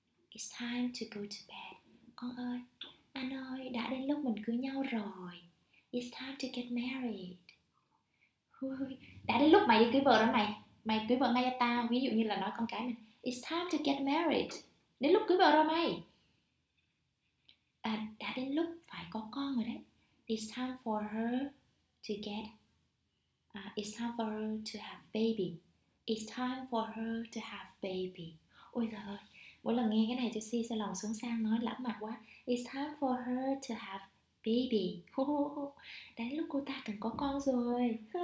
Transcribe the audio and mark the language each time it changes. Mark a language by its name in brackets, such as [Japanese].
[English] It's time to go to bed. [Vietnamese] Con ơi, anh ơi, đã đến lúc mình cưới nhau rồi. [English] It's time to get married. [Vietnamese] Đã đến lúc mày đi cưới vợ rồi mày. Mày cưới vợ ngay cho tao. Ví dụ như là nói con cái mình. [English] It's time to get married. [Vietnamese] Đến lúc cưới vợ rồi mày. Đã đến lúc phải có con rồi đấy. [English] It's time for her to get it's time for her to have baby. It's time for her to have baby. [Vietnamese] Ôi giời ơi, mỗi lần nghe cái này cho Si sẽ lòng xuống sang nói lãng mạn quá. [English] It's time for her to have baby. [Vietnamese] Đã đến lúc cô ta cần có con rồi.